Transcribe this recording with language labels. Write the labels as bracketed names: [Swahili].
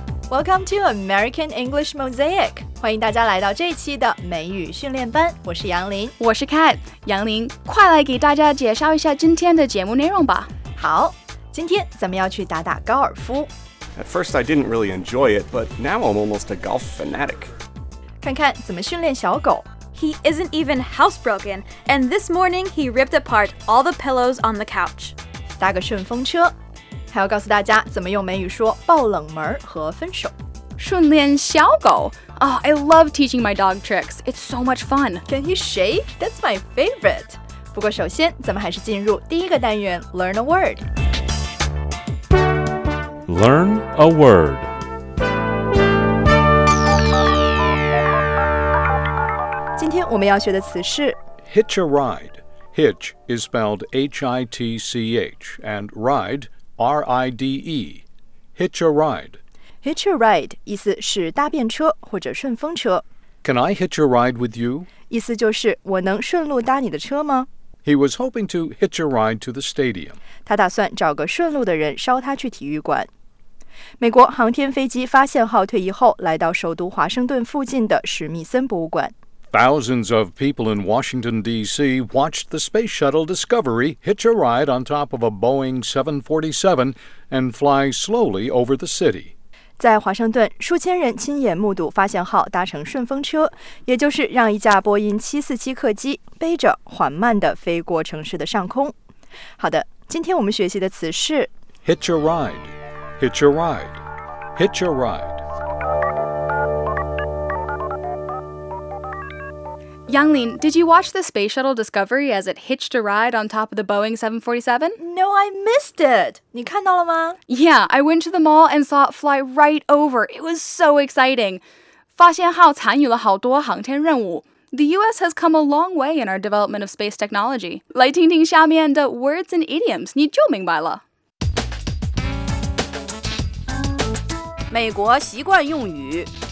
[English] Welcome to American English Mosaic. [Chinese] 欢迎大家来到这期的美语训练班。我是杨林，我是 Kat。杨林，快来给大家介绍一下今天的节目内容吧。好，今天咱们要去打打高尔夫。 [English] At first, I didn't really enjoy it, but now I'm almost a golf fanatic. [Chinese] 看看怎么训练小狗。 [English] He isn't even housebroken, and this morning he ripped apart all the pillows on the couch. [Chinese] 搭个顺风车。还要告诉大家怎么用美语说爆冷门和分手。训练小狗。 [English] Oh, I love teaching my dog tricks. It's so much fun. Can he shake? That's my favorite. [Chinese] 不过首先咱们还是进入第一个单元 Learn a Word. [English] Learn a Word. [Chinese] 我们要学的词是 [English] Hitch a ride. Hitch is spelled H-I-T-C-H and ride, R-I-D-E. Hitch a ride. [Chinese] Hitch a ride 意思是搭便车或者顺风车。 [English] Can I hitch a ride with you? [Chinese] 意思就是我能顺路搭你的车吗？ [English] He was hoping to hitch a ride to the stadium. [Chinese] 他打算找个顺路的人捎他去体育馆。美国航天飞机发现号退役后来到首都华盛顿附近的史密森博物馆。 [English] Thousands of people in Washington, D.C. watched the space shuttle Discovery hitch a ride on top of a Boeing 747 and fly slowly over the city. [Chinese] 在华盛顿，数千人亲眼目睹发现号搭乘顺风车，也就是让一架波音747客机背着缓慢地飞过城市的上空。好的，今天我们学习的词是 [English] Hitch a ride, hitch a ride, hitch a ride. Yanglin, did you watch the space shuttle Discovery as it hitched a ride on top of the Boeing 747? No, I missed it. [Chinese] 你看到了吗? [English] Yeah, I went to the mall and saw it fly right over. It was so exciting. [Chinese] 发现号参与了好多航天任务。 [English] The U.S. has come a long way in our development of space technology. [Chinese] 来听听下面的 [English] words and idioms, [Chinese] 你就明白了。美国习惯用语